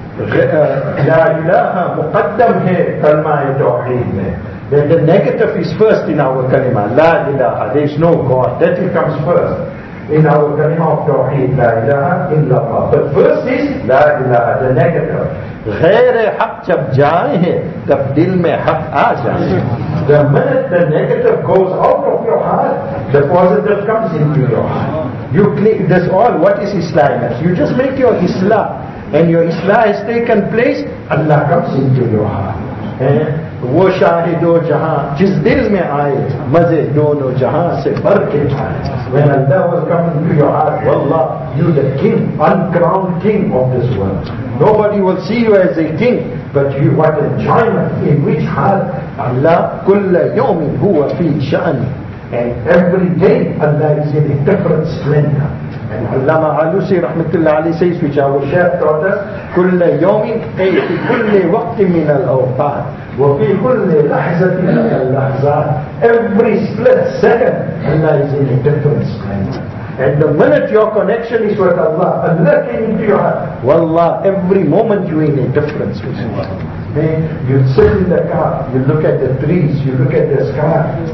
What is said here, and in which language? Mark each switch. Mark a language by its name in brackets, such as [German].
[Urdu] La ilaha muqaddam hai kalma-e tawheed mein. [English] That the negative is first in our kalima. La ilaha, there is no God. That it comes first. In our kalima of tawheed, la ilaha illallah. But first is la ilaha, the negative. [Urdu] غیر حق جب جائے ہیں تب دل میں حق آ جائے ہیں. [English] The minute the negative goes out of your heart, the positive comes into your heart. You click, that's all. What is Islam? You just make your Islam, and your Islam has taken place, Allah comes into your heart. [Urdu] وہ شاہد و جہاں جس دل میں آئے مزے دونوں جہاں سے بھر کے جائے. [English] When Allah was coming to your heart, wallah, you the king, uncrowned king of this world. Nobody will see you as a king, but you, what enjoyment, in which heart? [Arabic] Allah, كل يوم هو في شأن. [English] And every day Allah is in a different splendor. And Allama Alusi Rahmatullah Ali says, which our Shaykh taught us, [Arabic] كل يوم أي في كل وقت من الأوقات وفي كل لحظة من اللحظات. [English] Every split second Allah is in a different splendor. And the minute your connection is with Allah, Allah came into your heart. Wallah, every moment you make a difference. Then you sit in the car, you look at the trees, you look at the sky.